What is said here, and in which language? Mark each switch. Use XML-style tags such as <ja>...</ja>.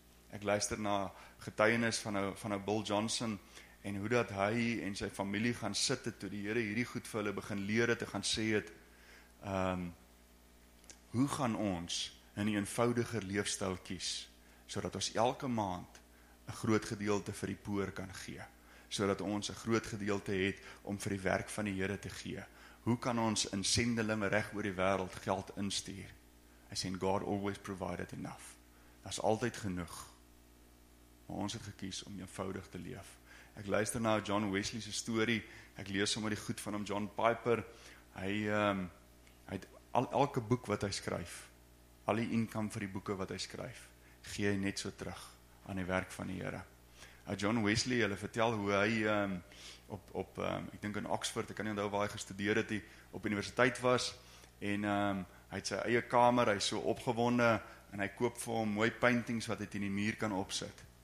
<af>Ek luister na getuienis van Bill Johnson, en hoe dat hy en sy familie gaan sit het, toe die Here hierdie goed vir hulle begin leer het, te gaan sê het, hoe gaan ons in die eenvoudiger leefstyl kies, sodat ons elke maand een groot gedeelte vir die poor kan gee, sodat ons een groot gedeelte het om vir die werk van die Here te gee. Hoe kan ons in sendelinge reg oor die wêreld geld instuur? Hy sê,</af> <en>God always provided enough.</en> <af>Dat is altyd genoeg. Maar ons het gekies om eenvoudig te leef. Ek luister na John Wesley's story, ek lees sommer die goed van hom, John Piper, hy het elke boek wat hy skryf, al die income vir die boeken wat hy skryf, gee hy net so terug aan die werk van die Here. John Wesley, hulle vertel hoe hy ek dink in Oxford, ek kan nie onthou waar hy gestudeer het, die op universiteit was, en hy het sy eie kamer, hy is so opgewonde, en hy koop vir hom mooie paintings wat hy in die muur kan opsit.</af>